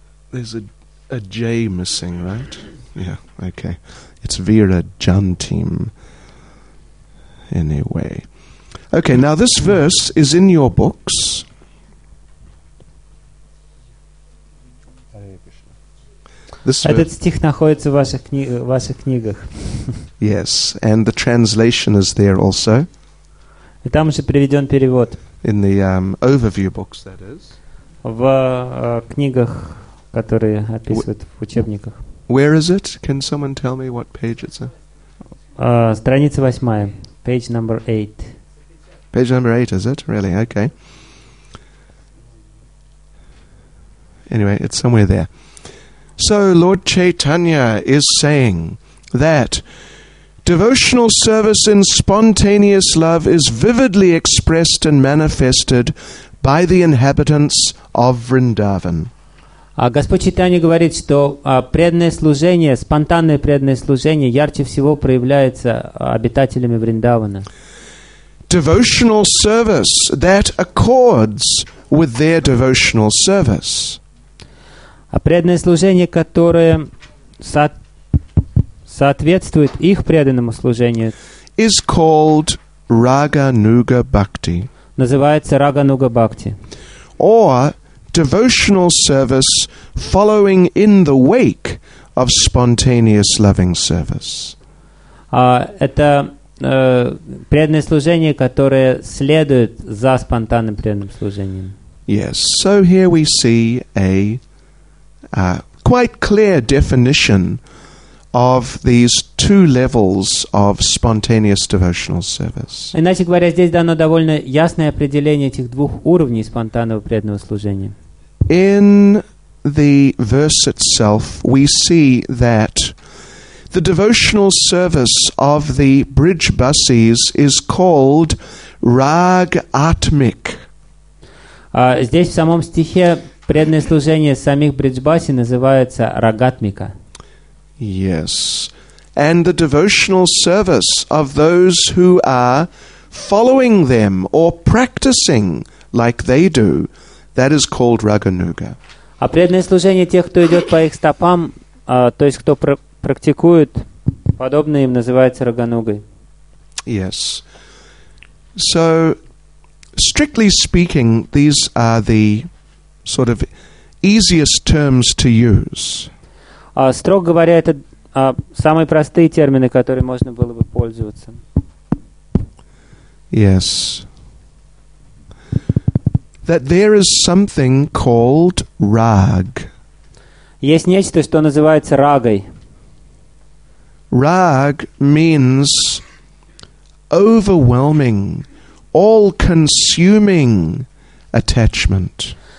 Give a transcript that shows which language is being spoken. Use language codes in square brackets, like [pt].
[en] There's a J missing, right? Yeah, okay. It's Vira Jantim. Anyway. Okay, now this verse is in your books. [ru] Этот стих находится в ваших книгах. [en] Yes, and the translation is there also. [ru] И там же приведен перевод. [en] In the overview books, that is. [ru] В книгах, которые описывают в учебниках. [en] Where is it? Can someone tell me what page it's on? [ru] Страница 8, [en] page number 8. Page number 8, is it? Really? Okay. Anyway, it's somewhere there. So Lord Chaitanya is saying that devotional service in spontaneous love is vividly expressed and manifested by the inhabitants of Vrindavan. [ru] А Господь Чайтанья говорит, что преданное служение, спонтанное преданное служение ярче всего проявляется обитателями Вриндавана. [en] Devotional service that accords with their devotional service. [ru] А преданное служение, которое соответствует их преданному служению, [en] is called Raganuga Bhakti. [ru] Называется Рагануга Бхакти. [en] Or devotional service following in the wake of spontaneous loving service. [ru] Это преданное служение, которое следует за спонтанным преданным служением. [en] Yes, so here we see a quite clear definition of these two levels of spontaneous devotional service. [ru] Иначе говоря, здесь дано довольно ясное определение этих двух уровней спонтанного преданного служения. [en] In the verse itself, we see that the devotional service of the bridge busis is called Rag Atmik. [ru] Здесь в самом стихе преданное служение самих бриджбаси называется рагатмика. [en] Yes. And the devotional service of those who are following them or practicing like they do, that is called Raganuga. [ru] А преданное служение тех, кто идет по их стопам, то есть кто практикует подобное им, называется Раганугой. [en] Yes. So, strictly speaking, these are the sort of easiest terms to use. [ru] Строго говоря, это самые простые термины, которые можно было бы пользоваться. [en] Yes. That there is something called rag. [ru] Есть нечто, что называется рагой. [en] Rag means overwhelming, all-consuming attachment.